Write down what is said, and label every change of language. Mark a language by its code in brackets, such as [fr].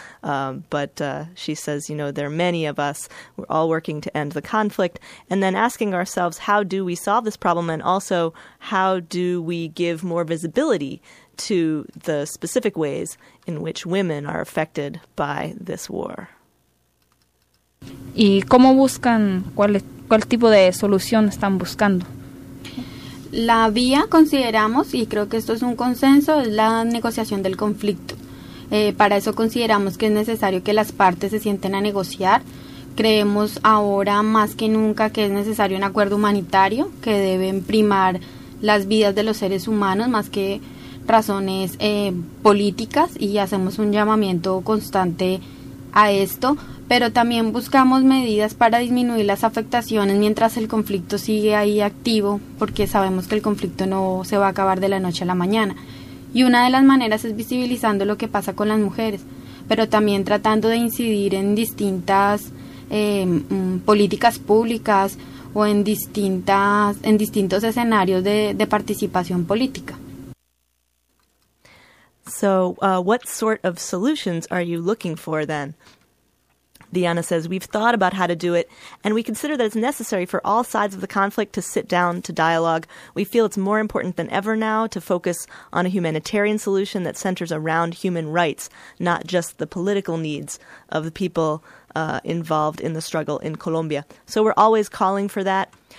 [en] But she says, you know, there are many of us, we're all working to end the conflict, and then asking ourselves, how do we solve this problem? And also, how do we give more visibility to the specific ways in which women are affected by this war? [es] ¿Y cómo buscan, cuál tipo de solución están buscando? La vía, consideramos, y creo que esto es un consenso, es la negociación del conflicto. Para eso consideramos que es necesario que las partes se sienten a negociar. Creemos ahora más que nunca que es necesario un acuerdo humanitario, que deben primar las vidas de los seres humanos más que razones políticas, y hacemos un llamamiento constante a esto. Pero también buscamos medidas para disminuir las afectaciones mientras el conflicto sigue ahí activo, porque sabemos que el conflicto no se va a acabar de la noche a la mañana. Y una de las maneras es visibilizando lo que pasa con las mujeres, pero también tratando de incidir en distintas políticas públicas o en distintos escenarios de participación política. [en] So, what sort of solutions are you looking for then? Diana says, we've thought about how to do it, and we consider that it's necessary for all sides of the conflict to sit down to dialogue. We feel it's more important than ever now to focus on a humanitarian solution that centers around human rights, not just the political needs of the people involved in the struggle in Colombia. So we're always calling for that.